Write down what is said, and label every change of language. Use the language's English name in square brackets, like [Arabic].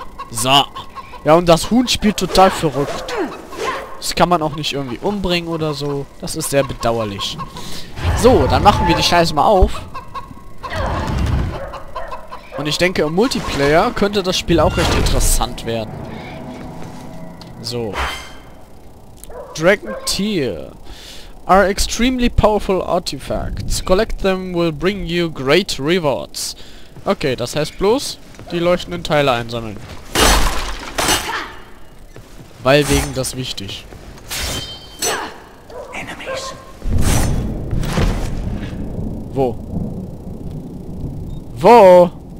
[German] So. Ja, und das Huhn spielt total verrückt. Das kann man auch nicht irgendwie umbringen oder so. Das ist sehr bedauerlich. So, dann machen wir die Scheiße mal auf. Und ich denke, im Multiplayer könnte das Spiel auch recht interessant werden. So. Dragon Tear. [English] Are extremely powerful artifacts. Collect them will bring you great rewards. [German] Okay, das heißt bloß, die leuchtenden Teile einsammeln. Weil wegen das wichtig. [English] Enemies. [German] Wo? Wo?